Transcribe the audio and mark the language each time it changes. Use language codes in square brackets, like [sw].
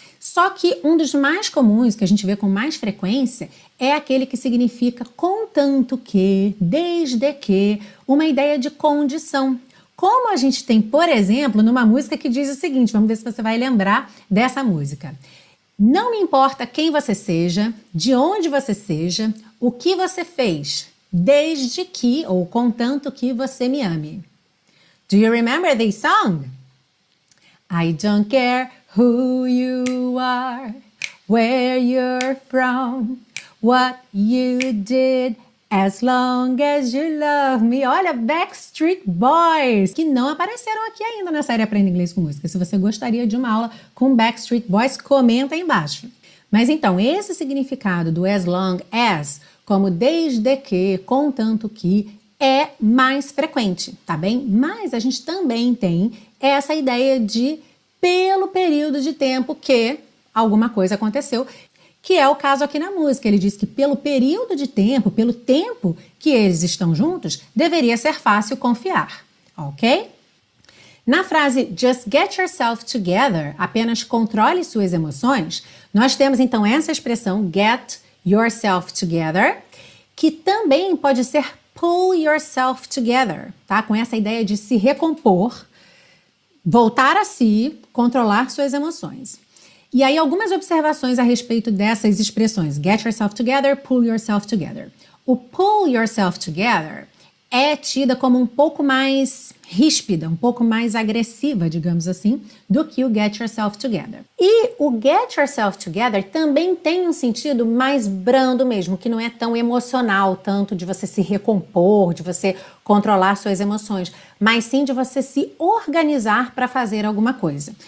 [pt] Só que um dos mais comuns, que a gente vê com mais frequência, é aquele que significa contanto que, desde que, uma ideia de condição. Como a gente tem, por exemplo, numa música que diz o seguinte, vamos ver se você vai lembrar dessa música. Não me importa quem você seja, de onde você seja, o que você fez, desde que ou contanto que você me ame. [en] Do you remember this song? I don't care who you are, where you're from, what you did, as long as you love me. [pt] Olha, Backstreet Boys, que não apareceram aqui ainda na série Aprenda Inglês com Música. Se você gostaria de uma aula com Backstreet Boys, comenta aí embaixo. Mas então, esse significado do as long as, como desde que, contanto que, é mais frequente, tá bem? Mas a gente também tem essa ideia de pelo período de tempo que alguma coisa aconteceu, que é o caso aqui na música. Ele diz que pelo período de tempo, pelo tempo que eles estão juntos, deveria ser fácil confiar, ok? Na frase [en] just get yourself together, [pt] apenas controle suas emoções, nós temos então essa expressão [en] get yourself together, [pt] que também pode ser [en] pull yourself together, [pt] tá? Com essa ideia de se recompor, voltar a si, controlar suas emoções. E aí algumas observações a respeito dessas expressões. [en] Get yourself together, pull yourself together. [pt] O [en] pull yourself together [pt] é tida como um pouco mais ríspida, um pouco mais agressiva, digamos assim, do que o [en] get yourself together. [pt] E o [en] get yourself together [pt] também tem um sentido mais brando mesmo, que não é tão emocional tanto de você se recompor, de você controlar suas emoções, mas sim de você se organizar para fazer alguma coisa.